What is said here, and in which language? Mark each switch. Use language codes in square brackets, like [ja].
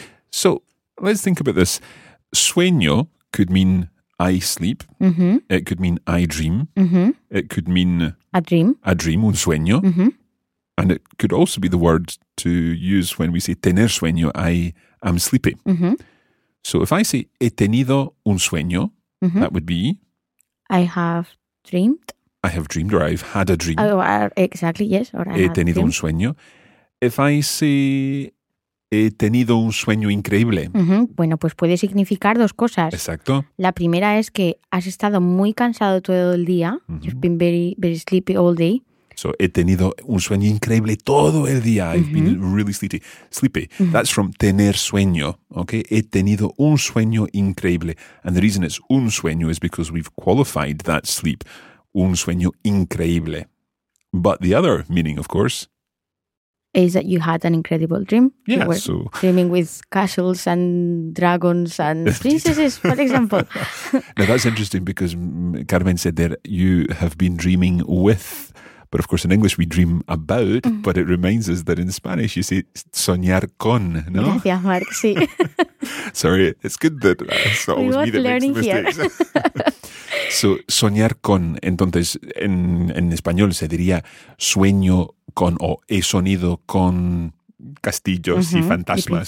[en] So let's think about this. Sueño could mean I sleep. Mm-hmm. It could mean I dream. Mm-hmm. It could mean a dream, [es] un sueño. Mm-hmm. [en] And it could also be the word to use when we say [es] tener sueño, [en] I am sleepy. Mm-hmm. So if I say [es] he tenido un sueño, [en] mm-hmm. that would be I have dreamed or I've had a dream. Exactly, yes. Or I [es] he tenido [en] dreamed. [es] Un sueño. [en] If I say [es] he tenido un sueño increíble. Uh-huh. Bueno, pues puede significar dos cosas. Exacto. La primera es que has estado muy cansado todo el día. Uh-huh. [en] You've been very, very sleepy all day. [es] So, he tenido un sueño increíble todo el día. [en] Uh-huh. I've been really sleepy. Uh-huh. That's from [es] tener sueño, [en] okay? [es] He tenido un sueño increíble. [en] And the reason it's un sueño is because we've qualified that sleep. [es] Un sueño increíble. [en] But the other meaning, of course, is that you had an incredible dream. Yeah, you were dreaming with castles and dragons and princesses, for example. Now, that's interesting because Carmen said there, you have been dreaming with, but of course in English we dream about, mm-hmm. but it reminds us that in Spanish you say [es] soñar con, [en] no? [es] Gracias, Mark, sí. [en] Sorry, it's good that it's not always me that learning makes the mistakes. [es] So, soñar con, entonces, en español se diría sueño con o he sonido con castillos uh-huh. y fantasmas